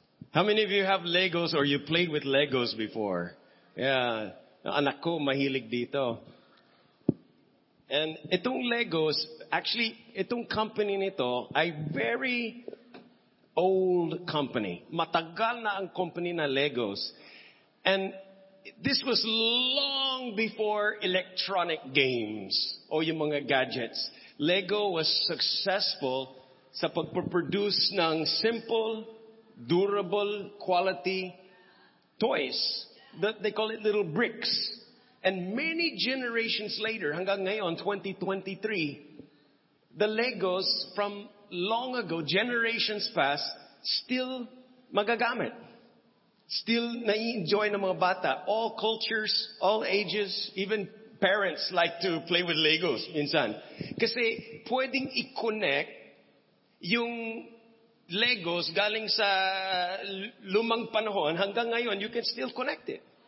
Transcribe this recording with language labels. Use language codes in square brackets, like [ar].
[en] How many of you have Legos or you played with Legos before? [tl] Yeah, anak ko mahilig dito. And itong Legos, actually, itong company nito ay [en] very old company. [tl] Matagal na ang company na Legos. [en] And this was long before electronic games [tl] o yung mga [en] gadgets. Lego was successful [tl] sa pagproduce ng [en] simple, durable quality toys. That they call it little bricks. And many generations later, [tl] hanggang ngayon, [en] 2023, the Legos from long ago, generations past, still magagamit. [tl] Still nai-enjoy ng mga bata. [en] All cultures, all ages, even parents like to play with Legos minsan. [tl] Kasi pwedeng i-connect yung Legos galing sa lumang panahon, hanggang ngayon, [en] you can still connect it.